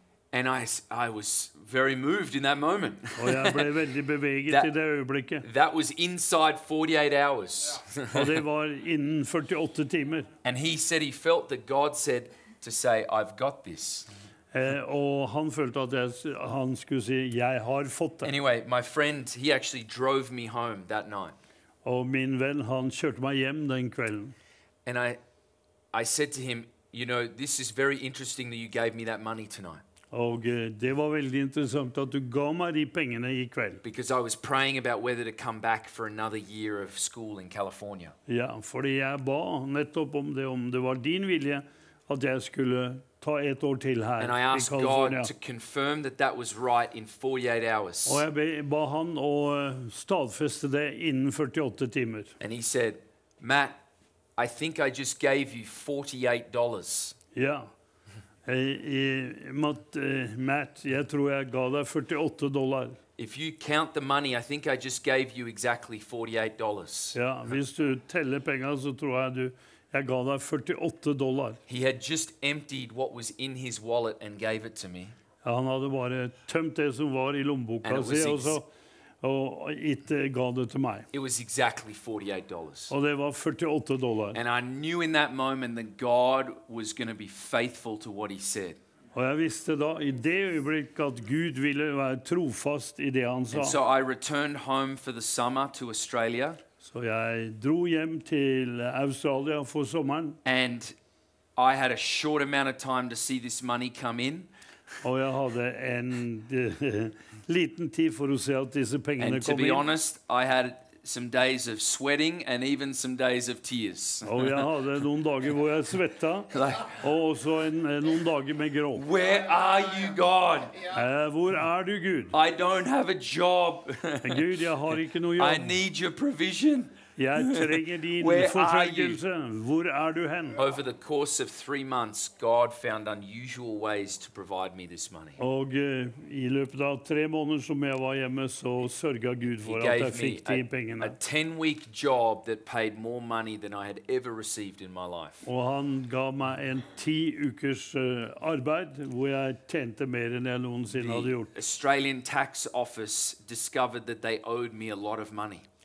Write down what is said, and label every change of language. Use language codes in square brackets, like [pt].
[en] And I was very moved in that moment. [no] Og jeg ble veldig beveget I det øyeblikket. [en] That was inside 48 hours. [no] Og det var innen 48 timer. [en] And he said he felt that God said to say, "I've got this." [no] Og han følte at han skulle si, jeg har fått det. [en] Anyway, my friend, he actually drove me home that night. [no] Og min venn, han kjørte meg hjem den kvelden. [en] And I said to him, "You know, this is very interesting that you gave me that money tonight." [no] Og det var veldig interessant at du ga meg de pengene I kveld. [en] Because I was praying about whether to come back for another year of school in California. [no] Ja, fordi jeg ba nettopp om det var din vilje at jeg skulle ta et år til her. [en] And I asked God to confirm that was right in 48 hours. [no] Og jeg ba han å stadfeste det innen 48 timer. [en] And he said, "Matt, I think I just gave you $48. [no] Ja. Matt, jeg tror jeg ga deg $48. [en] If you count the money, I think I just gave you exactly $48. [no] Ja, hvis du teller penger, så tror jeg jeg ga deg $48. [en] He had just emptied what was in his wallet and gave it to me. [no] Han hadde bare tømt det som var I lommeboka si, og så ga det til meg. [en] It was exactly $48. [no] Og det var $48. [en] And I knew in that moment that God was going to be faithful to what he said. [no] Og jeg visste da I det øyeblikket at Gud ville være trofast I det han sa. [en] And so I returned home for the summer to Australia. [no] Så jeg dro hjem til Australia for sommeren. [en] And I had a short amount of time to see this money come in. [no] Og jeg hadde en liten tid for å se at disse pengene kom inn. [en] And to be honest, I had some days of sweating and even some days of tears. [no] Og jeg hadde noen dager hvor jeg svettet, og også noen dager med gråt. [en] Where are you, God? [no] Hvor du, Gud? [en] I don't have a job. [no] Gud, jeg har ikke noe jobb. [en] I need your provision. [no] Jeg trenger din forsørgelse. Hvor du hen? [en] Over the course of 3 months, God found unusual ways to provide me this money. [no] Og I løpet av 3 måneder som jeg var hjemme, så sørget Gud for at jeg fikk de pengene. [en] He gave me a 10-week job that paid more money than I had ever received in my life. [no] Og han ga meg en 10 ukers arbeid, hvor jeg tjente mer enn jeg noensinne hadde gjort. [en] The Australian Tax Office discovered that they owed me a lot of money.